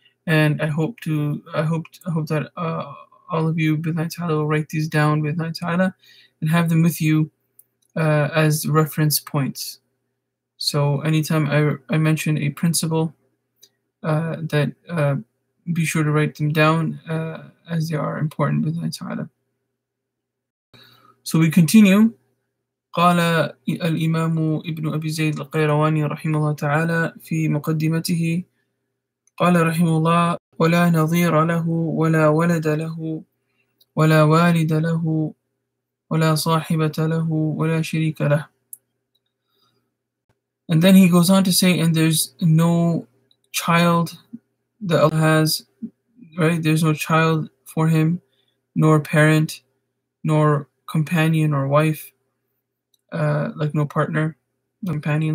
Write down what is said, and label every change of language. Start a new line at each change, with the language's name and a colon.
English: And I hope that all of you, bithnai ta'ala, will write these down, bithnai ta'ala, and have them with you as reference points. So anytime I mention a principle, be sure to write them down as they are important, bithnai ta'ala. So we continue.
Arabic: قال الإمام ابن أبي زيد القيرواني رحمه الله تعالى في مقدمته قال رحمه الله ولا نظير له ولا ولد له ولا والد له ولا صاحبة له ولا شريك له.
English: And then he goes on to say, and there's no child that Allah has, right? There's no child for him, nor parent, nor companion or wife, like no partner, companion.